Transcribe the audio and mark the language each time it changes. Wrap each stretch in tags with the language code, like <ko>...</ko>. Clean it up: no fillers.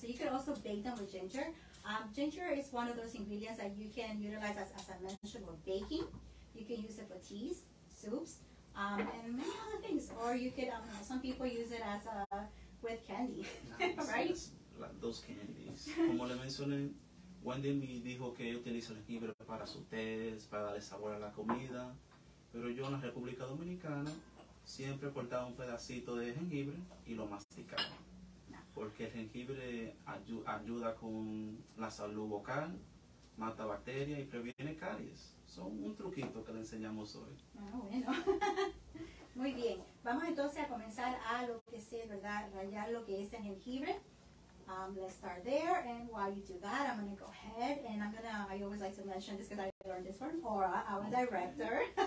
<en>So you could also bake them with ginger. Ginger is one of those ingredients that you can utilize, as I mentioned, for baking. You can use it for teas, soups, and many other things. Or you could, some people use it as with candy, nice. Right? Like those candies.</en> <es>Como le mencioné, Wendy me dijo que ella utiliza el jengibre para su té, para darle sabor a la comida. Pero yo en la República Dominicana siempre cortaba un pedacito de jengibre y lo masticaba. Porque el jengibre ayuda con la salud vocal, mata bacterias y previene caries. Son un truquito que le enseñamos hoy. Ah, bueno. Muy bien. Vamos entonces a comenzar a lo que es, ¿verdad? Rayar lo que es el jengibre.</es> <en>Let's start there. And while you do that, I'm going to go ahead and I always like to mention this because I learned this from Aura, our director.</en>